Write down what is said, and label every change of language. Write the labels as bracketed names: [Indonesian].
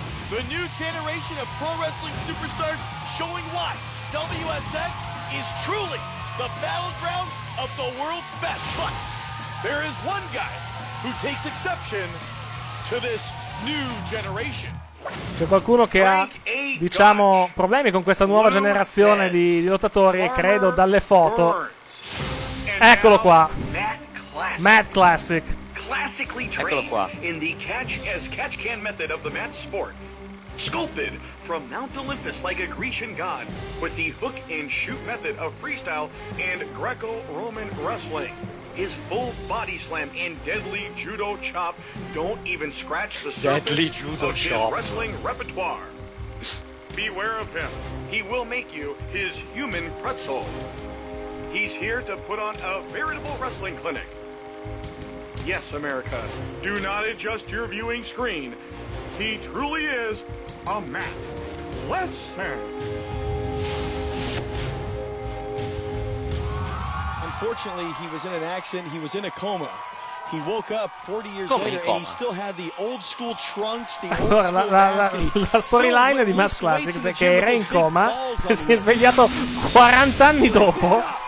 [English] The new generation of pro wrestling superstars showing why WSX is truly the battleground of the world's best. But there is one guy who takes exception to this new generation. [Italian] C'è qualcuno che ha, diciamo, problemi con questa nuova generazione di lottatori, e credo dalle foto. Eccolo qua. Matt Classic. [English] Classically trained in the catch as catch can method of the match sport. Sculpted from Mount Olympus like a Grecian god with the hook and shoot method of freestyle and Greco-Roman wrestling. His full body slam and deadly judo chop don't even scratch the surface of his wrestling repertoire. Beware of him. He will make you his human pretzel. He's here to put on a veritable wrestling clinic. Yes, America, do not adjust your viewing screen. He truly is a Matt Lesser. Unfortunately, he was in an accident. He was in a coma. He woke up 40 years later and he still had the old school trunks. [Italian] Allora, la storyline di Matt Classic è che era in coma e si è svegliato 40 anni dopo.